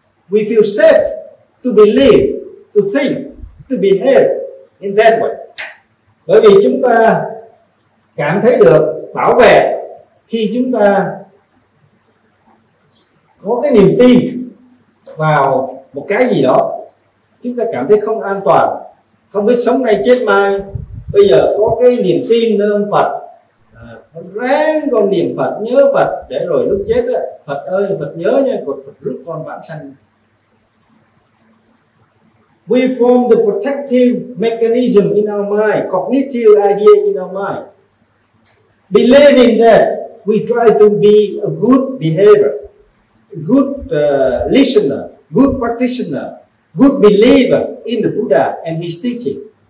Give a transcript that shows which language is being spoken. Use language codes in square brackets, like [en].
[en] We feel safe to believe, to think, to behave in that way. [vi] Bởi vì chúng ta cảm thấy được bảo vệ khi chúng ta có cái niềm tin vào một cái gì đó. Chúng ta cảm thấy không an toàn, không biết sống nay chết mai. Bây giờ có cái niềm tin nơi Phật, ráng con niềm Phật, nhớ Phật, để rồi lúc chết đó, Phật ơi Phật nhớ nha, còn Phật rước con vãng sanh. [en] We form the protective mechanism in our mind, cognitive idea in our mind. Believing that, we try to be a good behavior, good listener, good practitioner, good believer in the Buddha and his teaching.